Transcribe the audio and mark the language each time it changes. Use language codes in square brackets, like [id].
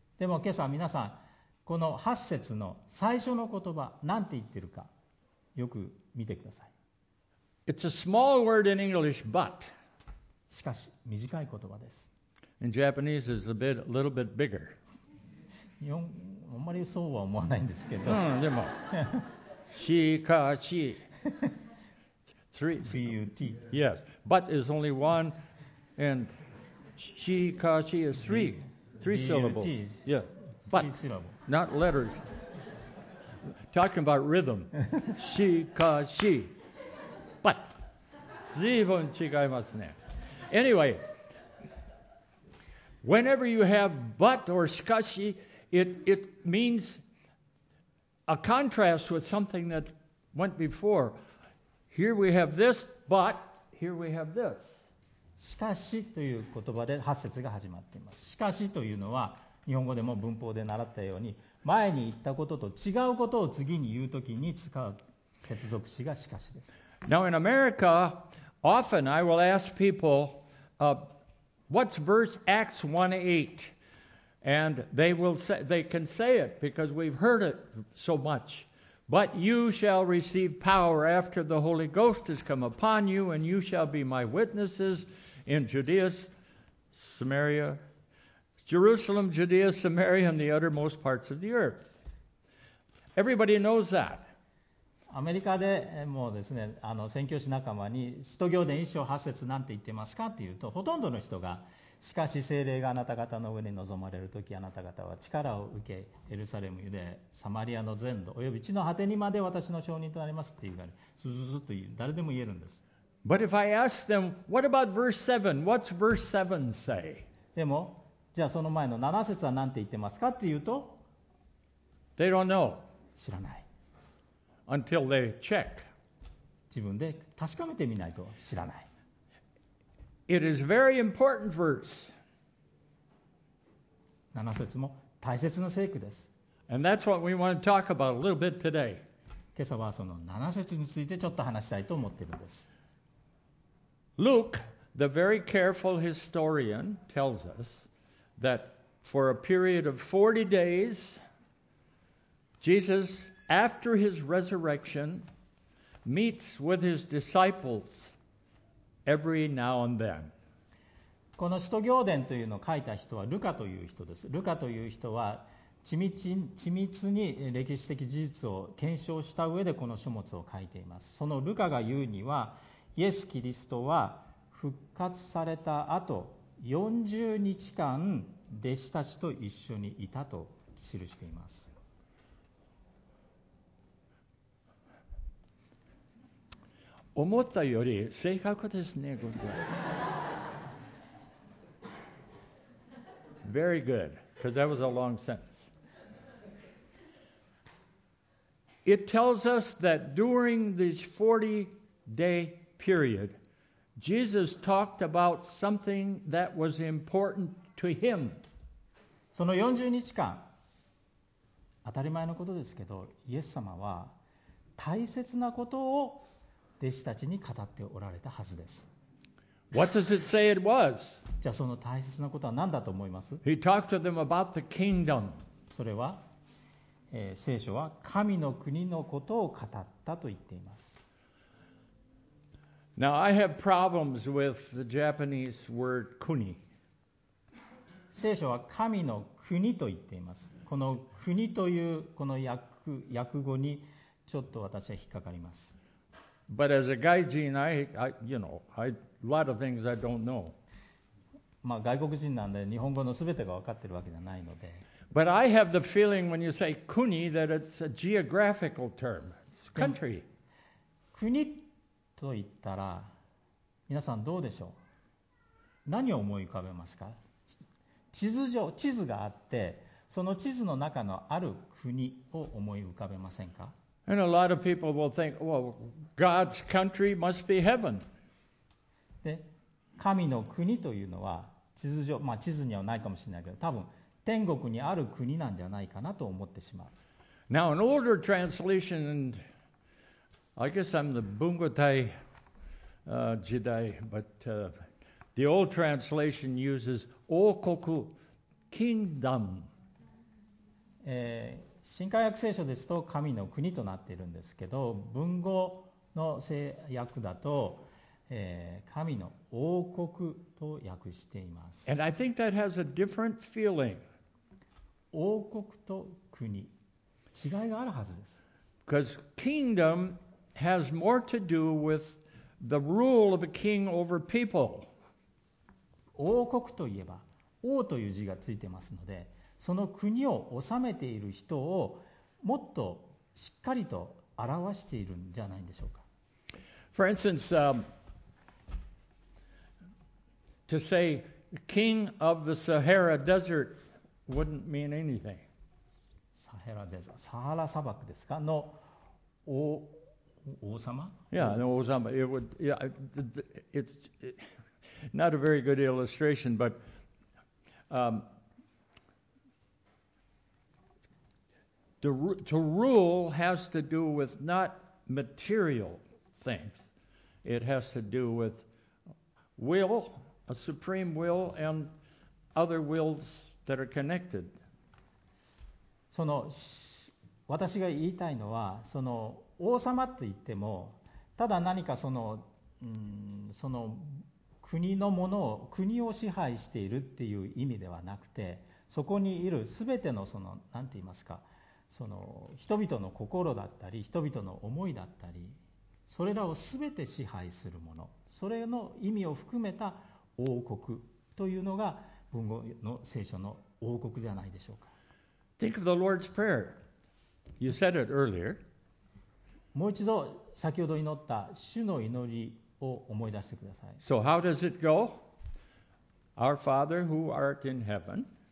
[ja] でも今朝皆さんこの8節の最初の言葉何て言ってるかよく見てください。 [en] It's a small word in English, but [ja] しかし短い言葉です。 [en] In Japanese, it's a bit, little bit bigger. [ja] あんまりそうは思わないんですけど。うん、でも。しかし。 [en] B-U-T. Yes. But is only one. And しかし is three. Three syllables. Yeah. But. Not letters. Talking about rhythm. [ja] しかし。But. 随分違いますね。Anyway. [en] Whenever you have but or しかし, it means a contrast with something that went before. Here we have this, but here we have this. [ja] しかしという言葉で8節が始まっています。しかしというのは日本語でも文法で習ったように前に言ったことと違うことを次に言うときに使う接続詞がしかしです。 [en] Now in America, often I will ask people, What's verse Acts 1:8? And they can say it because we've heard it so much. But you shall receive power after the Holy Ghost has come upon you, and you shall be my witnesses in Judea, Samaria, Jerusalem, Judea, Samaria, and the uttermost parts of the earth. Everybody knows that. [ja] アメリカでもうですね、宣教師仲間に使徒行伝1章8節なんて言ってますかっていうと、ほとんどの人がしかし聖霊があなた方の上に臨まれるとき、あなた方は力を受け、エルサレム、ユダヤ、サマリアの全土および地の果てにまで私の証人となりますっていうから、スズズという誰でも言えるんです。 [en] But if I ask them, what about verse 7? What's verse 7 say? [ja] でもじゃあその前の7節はなんて言ってますかっていうと、 [en] They don't know. [ja] 知らない。 [en] Until they check. [ja] 自分で確かめてみないと知らない。 [en] It is very important verse. [ja] 七節も大切な聖句です。 [en] And that's what we want to talk about a little bit today. [ja] 今朝はその七節についてちょっと話したいと思っているんです。 [en] Luke, the very careful historian, tells us that for a period of 40 days, Jesus. After his resurrection, meets with his disciples every now and then. [ja] この使徒行伝というのを書いた人はルカという人です。ルカという人は緻密に歴史的事実を検証した上でこの書物を書いています。そのルカが言うには、イエス・キリストは復活された後、40日間弟子たちと一緒にいたと記しています。思ったより正確ですね、これは。 [en] Very good, because that was a long sentence. It tells us that during this 40-day period, Jesus talked about something that was important to him. [ja] その40日間、当たり前のことですけど、イエス様は大切なことを弟子たちに語っておられたはずです。 [en] What does it say it was? [ja] じゃあその大切なことは何だと思います? [en] He talked to them about the kingdom. [ja] それは、聖書は神の国のことを語ったと言っています。 [en] Now I have problems with the Japanese word kuni. [ja] 聖書は神の国と言っています。この国というこの訳語にちょっと私は引っかかります。 [en] But as a gaijin, I lot of things I don't know. [ja] まあ外国人なんで日本語のすべてが分かってるわけじゃないので。 But I have the feeling when you say kuni that it's a geographical term, country. 国と言ったら皆さんどうでしょう。何を思い浮かべますか。地図があってその地図の中のある国を思い浮かべませんか。 [en] And a lot of people will think, well, God's country must be heaven. [ja] で、神の国というのは地図上、まあ地図にはないかもしれないけど、多分天国にある国なんじゃないかなと思ってしまう。 [en] Now, an older translation, and I guess I'm the Bungotai Jidai, but the old translation uses 王国 kingdom. [ja] 新改訳聖書ですと神の国となっているんですけど、文語の聖訳だと、神の王国と訳しています。 [en] And I think that has a different feeling. [ja] 王国と国、違いがあるはずです。 [en] Because kingdom has more to do with the rule of a king over people. [ja] 王国といえば、王という字がついてますので、その国を治めている人をもっとしっかりと表しているんじゃないでしょうか。 [en] For instance, to say king of the Sahara Desert wouldn't mean anything. [ja] サハラデザ、サハラ砂漠ですか？の王、王様？ [en] Yeah, no, 王様。 It would, yeah, it's not a very good illustration, but to rule has to do with not material things. It has to do with will, a supreme will, and other wills that are connected. [ja] その私が言いたいのは、その王様と言っても、ただ何かその、その国のものを、国を支配しているっていう意味ではなくて、そこにいるすべてのその、なんて言いますか、その人々の心だったり人々の思いだったり、それらをすべて支配するもの、それの意味を含めた王国というのが文語の聖書の王国じゃないでしょうか。 [en] Think of the Lord's Prayer. You said it earlier. [ja] もう一度先ほど祈った主の祈りを思い出してください。 [en] So how does it go? Our Father who art in heaven.